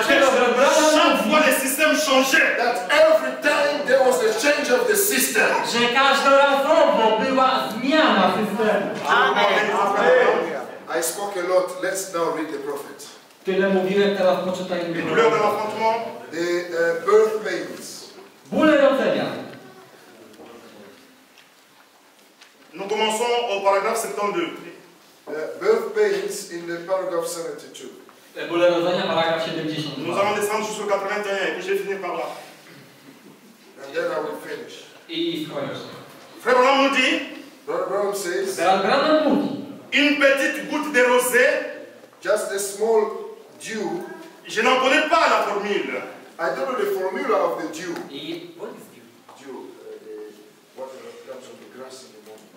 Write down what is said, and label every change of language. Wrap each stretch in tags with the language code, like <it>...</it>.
<en>Brother Branham says that every time there was a change of the system.</en> <pl>Że każdą razą była zmiana systemu. Amen.</pl> <en>I spoke a lot. Let's now read the prophet.</en> <pl>Tyle mówiłem, teraz poczytajmy. I bóle rozpoczątkowe. The birth pains. Bóle rodzenia.</pl> <fr>Nous commençons au paragraphe 72.</fr> <en>Birth pains in the paragraph 72.</en> <pl>Bóle rodzenia, paragraf 72.</pl> <fr>Nous allons descendre jusqu'au 81 et puis je vais finir par là.</fr> <en>And then I will finish.</en> <fr>Frère Branham nous dit.</fr> <en>Brother Branham says.</en> <fr>Une petite goutte de rosée.</fr> <en>Just a small dew.</en> <fr>Je n'en connais pas la formule.</fr> <en>I don't know the formula of the dew. What is dew? Dew. What comes from the grass in the morning.</en>